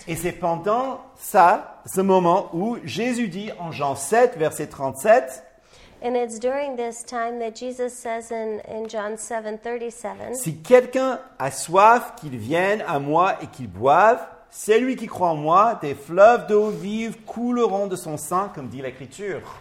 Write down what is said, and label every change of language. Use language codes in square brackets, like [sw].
[fr] Et c'est pendant ça, ce moment où Jésus dit en Jean 7, verset 37. [en] And it's during this time that Jesus says in John 7, 37. [fr] Si quelqu'un a soif, qu'il vienne à moi et qu'il boive. Celui qui croit en moi, des fleuves d'eau vive couleront de son sein, comme dit l'Écriture.